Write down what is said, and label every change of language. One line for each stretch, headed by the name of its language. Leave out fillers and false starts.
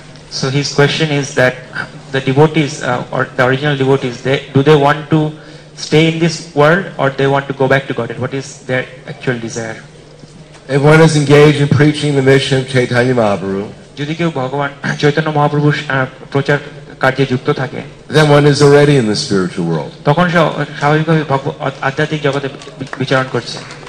English: So his question is that the devotees or the original devotees, do they want to stay in this world or they want to go back to Godhead? What is their actual desire? If one is engaged in preaching the mission of Chaitanya Mahaprabhu,
Bangla: যদি কেউ ভগবান চৈতন্য মহাপ্রভুর প্রচার কার্যে যুক্ত থাকে,
English: then one is already in the spiritual world.
Bangla: তখন সে স্বাভাবিকভাবে আধ্যাত্মিক জগতে বিচরণ করছে।